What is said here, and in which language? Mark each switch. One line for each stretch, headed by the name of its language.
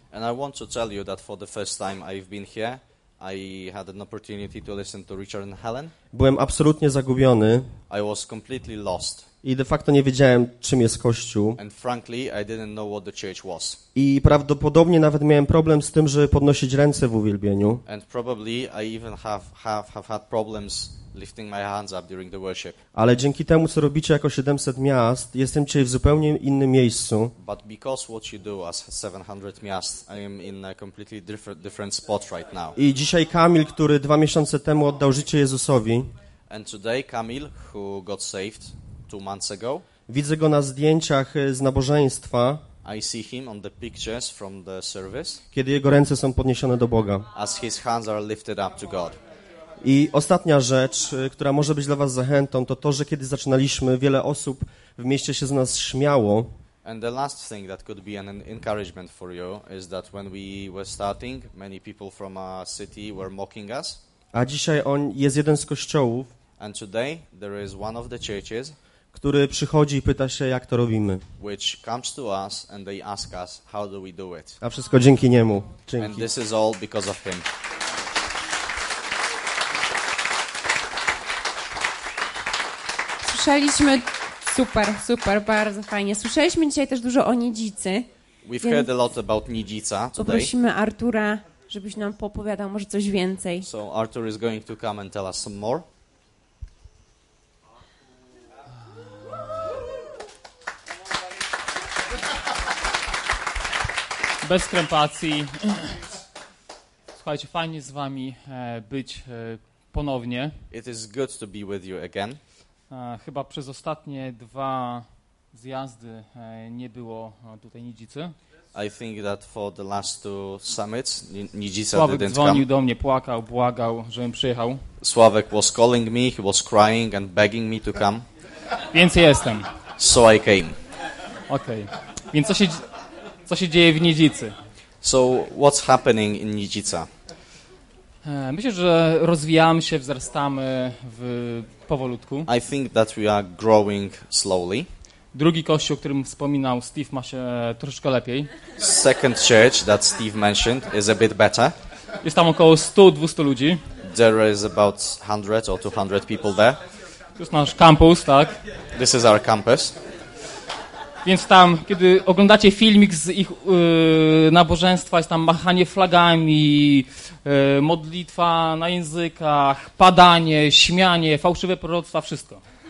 English: And I want to tell you that for the first time I've been here, I had an opportunity to listen to Richard and Helen.
Polish: Byłem absolutnie zagubiony.
English: I was completely lost.
Polish: I de facto nie wiedziałem, czym jest Kościół.
English: And frankly, I didn't know what the church was.
Polish: I prawdopodobnie nawet miałem problem z tym, żeby podnosić ręce w uwielbieniu.
English: And probably I even have had problems lifting my hands up during the worship.
Polish: Ale dzięki temu, co robicie jako 700 miast, jestem dzisiaj w zupełnie innym miejscu.
English: But because what you do as 700 miast, I am in a completely different spot right now.
Polish: I dzisiaj Kamil, który 2 miesiące temu oddał życie Jezusowi.
English: And today Kamil, who got saved 2 months ago.
Polish: Widzę go na zdjęciach z nabożeństwa.
English: I see him on the pictures from the service.
Polish: Kiedy jego ręce są podniesione do Boga.
English: As his hands are lifted up to God.
Polish: I ostatnia rzecz, która może być dla was zachętą, to, że kiedy zaczynaliśmy, wiele osób w mieście się z nas śmiało.
English: And the last thing that could be an encouragement for you is that when we were starting, many people from our city were mocking us.
Polish: A dzisiaj on jest jeden z kościołów.
English: And today there is one of the churches,
Polish: który przychodzi i pyta się, jak to robimy.
English: Which comes to us and they ask us, how do we do it?
Polish: A wszystko dzięki niemu. Dzięki.
English: And this is all because of him.
Polish: Słyszeliśmy, super, super, bardzo fajnie. Słyszeliśmy dzisiaj też dużo o Nidzicy.
English: We've heard a lot about Nidzica today.
Polish: Poprosimy Artura, żebyś nam poopowiadał może coś więcej.
English: So Artur is going to come and tell us some more.
Polish: Bez krępacji. Słuchajcie, fajnie z wami być ponownie.
English: It is good to be with you again.
Polish: Chyba przez ostatnie 2 z jazdy nie było tutaj Nidzicy.
English: I think that for the last two summits, Nidzica
Polish: Sławek
English: didn't
Polish: dzwonił
English: come.
Polish: Do mnie, płakał, błagał, żebym przyjechał.
English: Sławek was calling me, he was crying and begging me to come.
Polish: Więc jestem.
English: So I came. Okej. Okay.
Polish: Więc co się dzieje w Nidzicy?
English: So what's happening in Nidzica?
Polish: Myślę, że rozwijamy się, wzrastamy w powolutku.
English: I think that we are growing slowly.
Polish: Drugi kościół, o którym wspominał Steve, ma się troszeczkę lepiej.
English: Second church that Steve mentioned is a bit better.
Polish: Jest tam około 100-200 ludzi.
English: There is about 100 or 200 people there.
Polish: To jest nasz campus, tak?
English: This is our campus.
Polish: Więc tam, kiedy oglądacie filmik z ich nabożeństwa, jest tam machanie flagami, modlitwa na językach, padanie, śmianie, fałszywe proroctwa, wszystko.